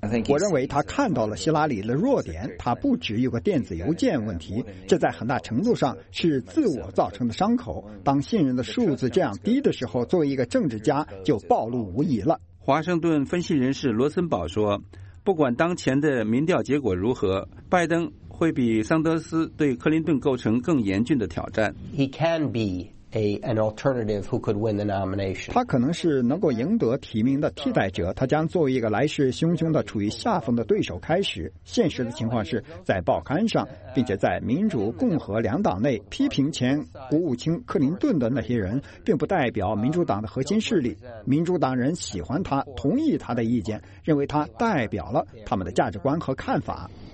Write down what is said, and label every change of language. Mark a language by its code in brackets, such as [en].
[zh] 我认为他看到了希拉里的弱点，他不只有个电子邮件问题，这在很大程度上是自我造成的伤口。当信任的数字这样低的时候，作为一个政治家就暴露无遗了。华盛顿分析人士罗森堡说，不管当前的民调结果如何，拜登会比桑德斯对克林顿构成更严峻的挑战。 [en] An alternative who could win the nomination. [zh] 他可能是能够赢得提名的替代者，他将作为一个来势汹汹的处于下风的对手开始。现实的情况是在报刊上并且在民主共和两党内批评前国务卿克林顿的那些人并不代表民主党的核心势力，民主党人喜欢他，同意他的意见，认为他代表了他们的价值观和看法。